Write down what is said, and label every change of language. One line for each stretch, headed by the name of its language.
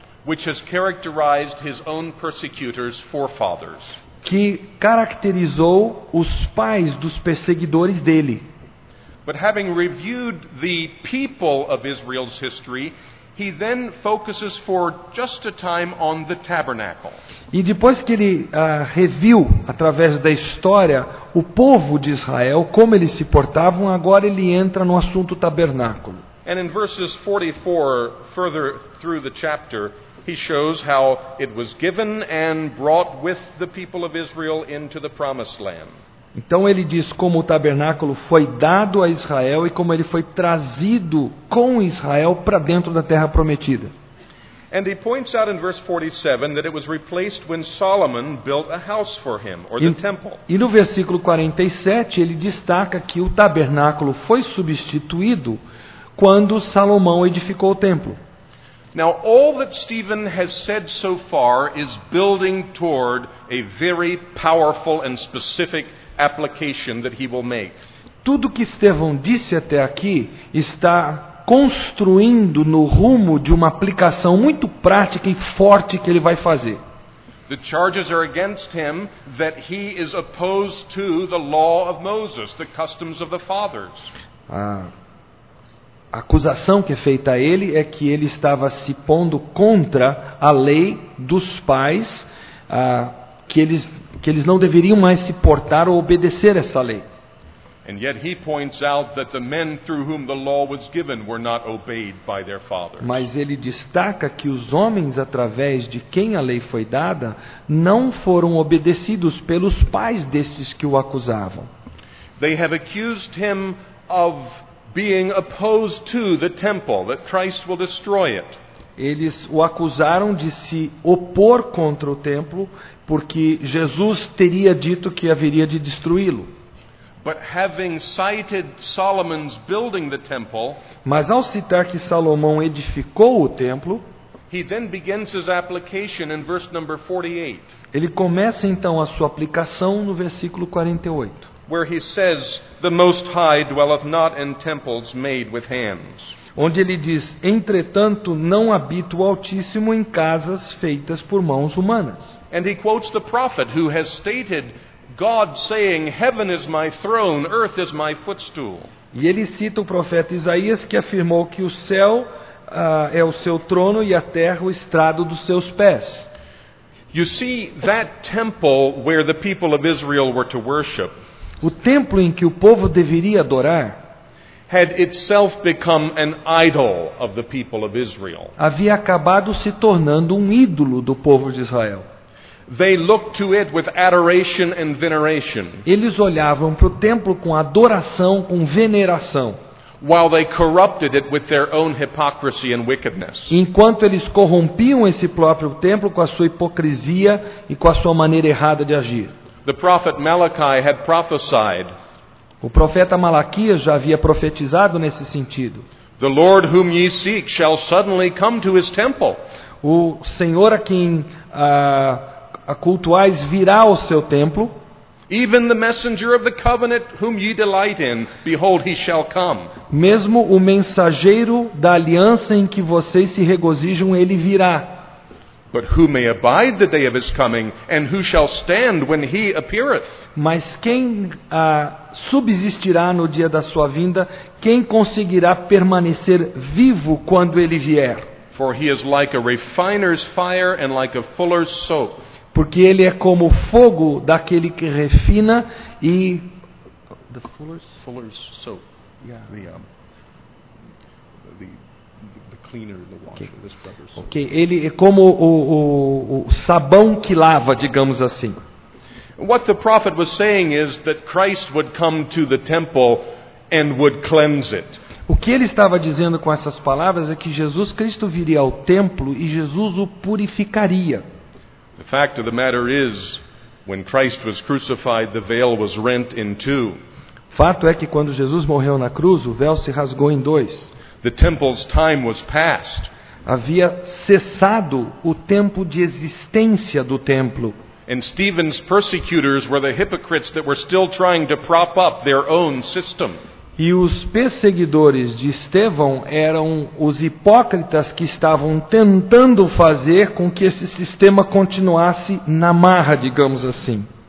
English: Which has characterized his own persecutors' forefathers.
Portuguese: Que caracterizou os pais dos perseguidores dele.
English: But having reviewed the people of Israel's history, he then focuses for just a time on the tabernacle.
Portuguese: E depois que ele reviu através da história o povo de Israel, como eles se portavam, agora ele entra no assunto tabernáculo.
English: And in verses 44 further through the chapter, he shows how it was given and brought with the people of Israel into the promised land.
Portuguese: Então ele diz como o tabernáculo foi dado a Israel e como ele foi trazido com Israel para dentro da terra prometida.
English: And he points out in verse 47 that it was replaced when Solomon built a house for him, or the temple.
Portuguese: E no versículo 47 ele destaca que o tabernáculo foi substituído quando Salomão edificou o templo.
English: Now all that Stephen has said so far is building toward a very powerful and specific application that he will make.
Portuguese: Tudo que Estevão disse até aqui está construindo no rumo de uma aplicação muito prática e forte que ele vai fazer.
English: The charges are against him that he is opposed to the law of Moses, the customs of the fathers.
Portuguese: A acusação que é feita a ele é que ele estava se pondo contra a lei dos pais, que eles não deveriam mais se portar ou obedecer essa lei.
English: And yet he points out that the men through whom the law was given were not obeyed by their fathers.
Portuguese: Mas ele destaca que os homens através de quem a lei foi dada não foram obedecidos pelos pais destes que o acusavam.
English: They have accused him of being opposed to the temple, that Christ will destroy it.
Portuguese: Eles o acusaram de se opor contra o templo, porque Jesus teria dito que haveria de destruí-lo.
English: But having cited Solomon's building the temple,
Portuguese: mas ao citar que Salomão edificou o templo,
English: he then begins his application in verse number 48.
Portuguese: Ele começa então a sua aplicação no versículo 48.
English: Where he says, "The Most High dwelleth not in temples made with hands."
Portuguese: Onde ele diz, entretanto, não habita o Altíssimo em casas feitas por mãos humanas.
English: And he quotes the prophet who has stated God saying, "Heaven is my throne, earth is my footstool."
Portuguese: E ele cita o profeta Isaías que afirmou que o céu é o seu trono e a terra o estrado dos seus pés.
English: You see that temple where the people of Israel were to worship.
Portuguese: O templo em que o povo deveria adorar
English: had itself become an idol of the people of Israel.
Portuguese: Havia acabado se tornando um ídolo do povo de Israel.
English: They looked to it with adoration and veneration.
Portuguese: Eles olhavam para o templo com adoração, com veneração.
English: While they corrupted it with their own hypocrisy and wickedness.
Portuguese: Enquanto eles corrompiam esse próprio templo com a sua hipocrisia e com a sua maneira errada de agir.
English: The prophet Malachi had prophesied.
Portuguese: O profeta Malaquias já havia profetizado nesse sentido.
English: The Lord whom ye seek shall suddenly come to his temple.
Portuguese: O Senhor a quem a cultuais virá ao seu templo.
English: Even the messenger of the covenant whom ye delight in, behold, he shall come.
Portuguese: Mesmo o mensageiro da aliança em que vocês se regozijam, ele virá.
English: But who may abide the day of his coming, and who shall stand when he appeareth?
Portuguese: Mas quem subsistirá no dia da sua vinda? Quem conseguirá permanecer vivo quando ele vier?
English: For he is like a refiner's fire and like a fuller's soap.
Portuguese: Porque ele é como o fogo daquele que refina e
English: the fuller's soap. Yeah. The cleaner, the washer, this brother's soap. Okay.
Portuguese: Ele é como o sabão que lava, digamos assim.
English: What the prophet was saying is that Christ would come to the temple and would cleanse it.
Portuguese: O que ele estava dizendo com essas palavras é que Jesus Cristo viria ao templo e Jesus o purificaria.
English: The fact of the matter is, when Christ was crucified, the veil was rent in two.
Portuguese: Fato é que quando Jesus morreu na cruz, o véu se rasgou em dois.
English: The temple's time was past.
Portuguese: Havia cessado o tempo de existência do templo.
English: And Stephen's persecutors were the hypocrites that were still trying to prop up their own system.
Portuguese: E os perseguidores de Estevão eram os hipócritas que estavam tentando fazer com que esse sistema continuasse na marra, digamos assim.